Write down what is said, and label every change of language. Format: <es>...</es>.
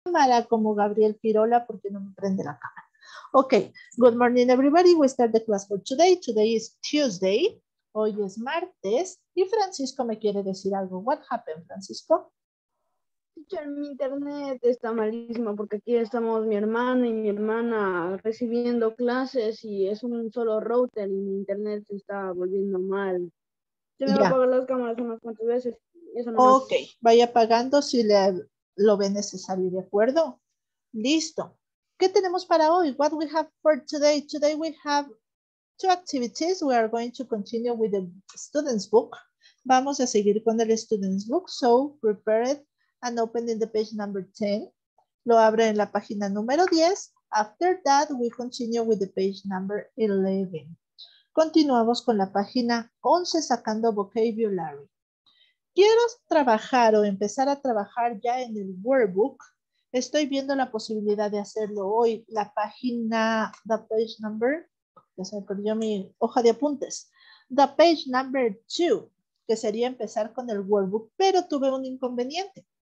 <es>cámara como Gabriel Pirola porque no me prende la cámara.</es> <en>Ok, good morning everybody, we start the class for today. Today is Tuesday,</en> <es>hoy es martes, y Francisco me quiere decir algo.</es> <en>What happened, Francisco?</en> <es>Mi internet está malísimo porque aquí estamos mi hermano y mi hermana recibiendo clases y es un solo router y mi internet se está volviendo mal. Se me va a apagar las cámaras unas cuantas veces. Eso ok, vaya apagando si lo ve necesario, ¿de acuerdo? Listo. ¿Qué tenemos para hoy?</es> <en>What we have for today? Today we have two activities. We are going to continue with the student's book.</en> <es>Vamos a seguir con el student's book.</es> <en>So prepare it and open in the page number 10.</en> <es>Lo abre en la página número 10.</es> <en>After that, we continue with the page number 11.</en> <es>Continuamos con la página 11 sacando vocabulary. Quiero trabajar o empezar a trabajar ya en el workbook. Estoy viendo la posibilidad de hacerlo hoy. La página,</es> <en>the page number,</en> <es>ya se me perdió mi hoja de apuntes.</es> <en>The page number 2,</en> <es>que sería empezar con el workbook, pero tuve un inconveniente.</es>